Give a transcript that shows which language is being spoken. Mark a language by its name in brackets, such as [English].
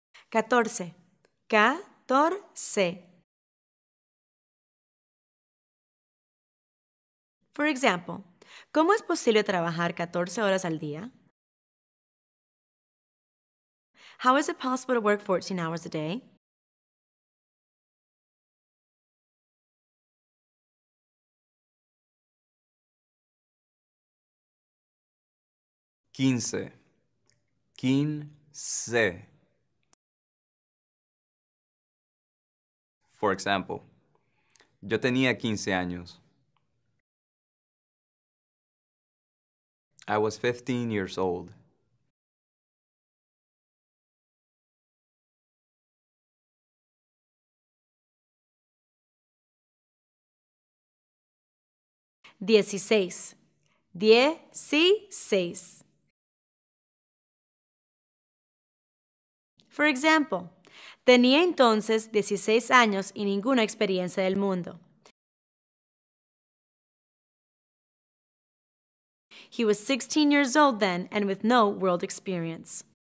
[Spanish] Catorce. Catorce. [English] For example, [Spanish] ¿cómo es posible trabajar 14 horas al día? [English] How is it possible to work 14 hours a day? [Spanish] Quince. Quince. [English] For example, [Spanish] yo tenía 15 años. [English] I was 15 years old. [Spanish] Dieciséis. Dieciséis. [English] For example, [Spanish] tenía entonces 16 años y ninguna experiencia del mundo. [English] He was 16 years old then and with no world experience.